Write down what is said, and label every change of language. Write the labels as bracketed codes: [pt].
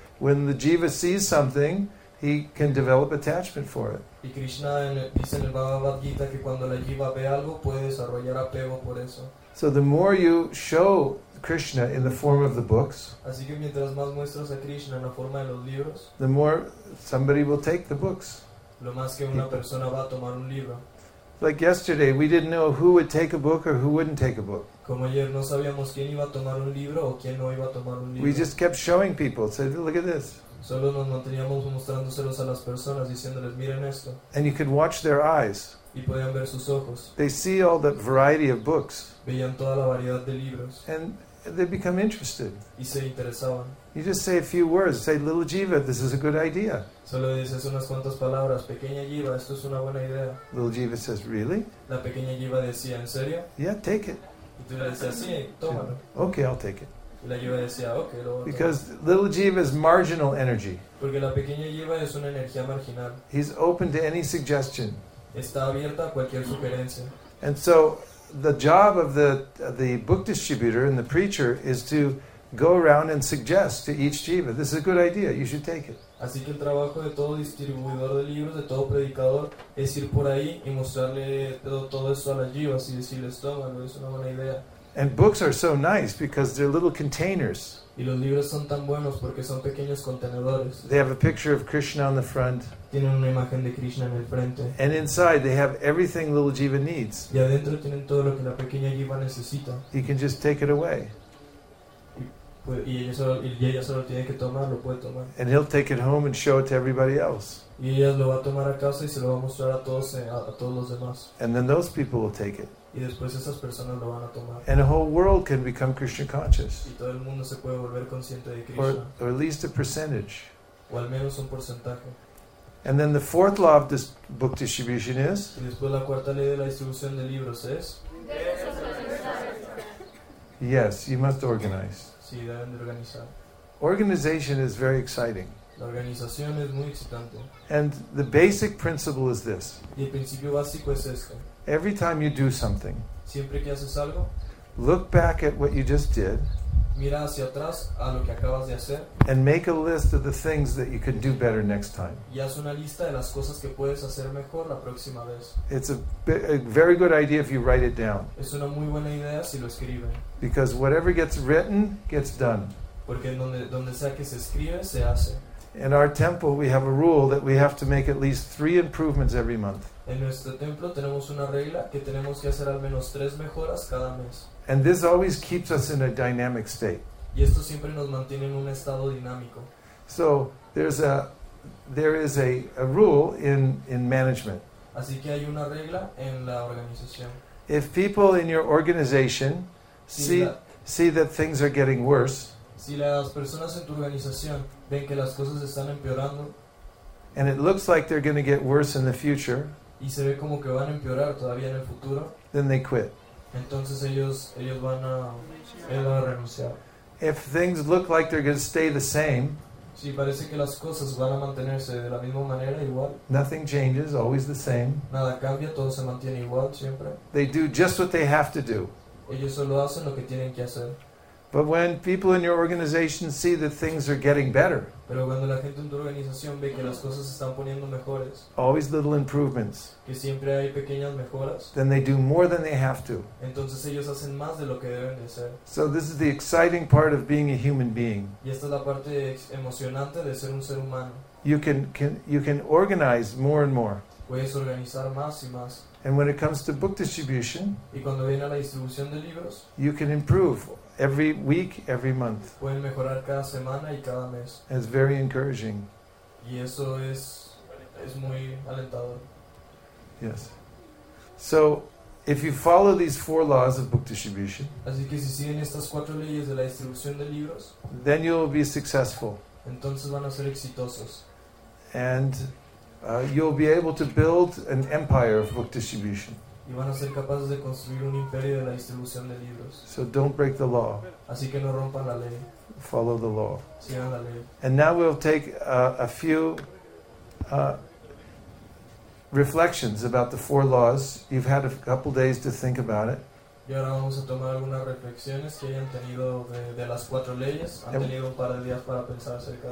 [en] When the Jiva sees something, he can develop attachment for it. [es] Y Krishna dice en el Bhagavad Gita que cuando la Jiva ve algo, puede desarrollar apego por eso. [en] So the more you show Krishna in the form of the books, [es] así que mientras más muestras a Krishna en la forma de los libros, [en] the more somebody will take the books. [es] Lo más que una persona va a tomar un libro. [en] Like yesterday, we didn't know who would take a book or who wouldn't take a book. [es] Como ayer no sabíamos quién iba a tomar un libro o quién no iba a tomar un libro. [en] We just kept showing people, said, look at this. [es] Solo nos manteníamos mostrándoselos a las personas, diciéndoles, miren esto. [en] And you could watch their eyes. [es] Y podían ver sus ojos. [en] They see all the variety of books. [es] Veían toda la variedad de libros. [en] And they become interested. [es] Y se interesaban. [en] You just say a few words. Say, little Jiva, this is a good idea. [es] Solo dices unas cuantas palabras. Pequeña Jiva, esto es una buena idea. [en] Little Jiva says, really? [es] La pequeña Jiva decía, ¿en serio? [en] Yeah, take it. [es] Y tú le decías, sí, tómalo. [en] Okay, I'll take it. [es] La Jiva decía, okay, lo voy a tomar. [en] Because little Jiva is marginal energy. [es] Porque la pequeña Jiva es una energía marginal. [en] He's open to any suggestion. [es] Está abierta a cualquier sugerencia. [en] And so the job of the book distributor and the preacher is to go around and suggest to each jiva, this is a good idea, you should take it. [es] Así que el trabajo de todo distribuidor de libros, de todo predicador, es ir por ahí y mostrarle todo eso a las jivas y decirles, tómalo, es una buena idea. [en] And books are so nice because they're little containers. [es] Y los libros son tan buenos porque son pequeños contenedores. [en] They have a picture of Krishna on the front. [es] Tienen una imagen de Krishna en el frente. [en] And inside they have everything little Jiva needs. [es] Y adentro tienen todo lo que la pequeña Jiva necesita. [en] He can just take it away. [es] Y ella solo tiene que tomarlo, puede tomar. [en] And he'll take it home and show it to everybody else. [es] Y ella lo va a tomar a casa y se lo va a mostrar a todos los demás. [en] And then those people will take it. [es] Y después esas personas lo van a tomar. [en] And a whole world can become Krishna conscious. [es] Y todo el mundo se puede volver consciente de Krishna. [en] Or at least a percentage. [es] O al menos un porcentaje. [en] And then the fourth law of this book distribution is. [es] Y después la cuarta ley de la distribución de libros es. [en] Yes, you must organize. [es] Sí, deben de organizar. [en] Organization is very exciting. [es] La organización es muy excitante. [en] And the basic principle is this. [es] Y el principio básico es este. [en] Every time you do something, [es] siempre que haces algo, [en] look back at what you just did, [es] mira hacia atrás a lo que acabas de hacer, [en] and make a list of the things that you could do better next time. [es] Y haz una lista de las cosas que puedes hacer mejor la próxima vez. [en] It's a very good idea if you write it down. [es] Es una muy buena idea si lo escriben. [en] Because whatever gets written gets done. [es] Porque donde sea que se escribe, se hace. [en] In our temple, we have a rule that we have to make at least 3 improvements every month. [es] En nuestro templo tenemos una regla que tenemos que hacer al menos 3 mejoras cada mes. [en] And this always keeps us in a dynamic state. [es] Y esto siempre nos mantiene en un estado dinámico. [en] So there is a rule in management. [es] Así que hay una regla en la organización. [en] If people in your organization see that things are getting worse. [es] Si las personas en tu organización ven que las cosas están empeorando. [en] And it looks like they're going to get worse in the future. [es] Y se ve como que van a empeorar todavía en el futuro. [en] Then they quit. [es] Entonces ellos van a renunciar. [en] If things look like they're going to stay the same. [es] Si parece que las cosas van a mantenerse de la misma manera igual. [en] Nothing changes, always the same. [es] Nada cambia, todo se mantiene igual siempre. [en] They do just what they have to do. [es] Ellos solo hacen lo que tienen que hacer. [en] But when people in your organization see that things are getting better, [es] pero cuando la gente en tu organización ve que las cosas se están poniendo mejores, [en] always little improvements, [es] que siempre hay pequeñas mejoras, [en] then they do more than they have to. [es] Entonces ellos hacen más de lo que deben de hacer. [en] So this is the exciting part of being a human being. [es] Y esta es la parte emocionante de ser un ser humano. [en] You can organize more and more. [es] Puedes organizar más y más. [en] And when it comes to book distribution, [es] y cuando viene a la distribución de libros, [en] you can improve every week, every month. [es] Pueden mejorar cada semana y cada mes. [en] It's very encouraging. [es] Y eso es muy alentador. [en] Yes. So, if you follow these 4 laws of book distribution, [es] así que si siguen estas 4 leyes de la distribución de libros, [en] then you will be successful. [es] Entonces van a ser exitosos. [en] And you'll be able to build an empire of book distribution. [es] y van a ser capaces de construir un imperio de la distribución de libros. [en] So don't break the law. [es] Así que no rompan la ley. [en] Follow the law. [es] Sigan la ley. [en] And now we'll take a few reflections about the four laws. You've had a couple days to think about it. [es] Y ahora vamos a tomar algunas reflexiones que hayan tenido de las cuatro leyes. Han tenido un par de días para pensar acerca.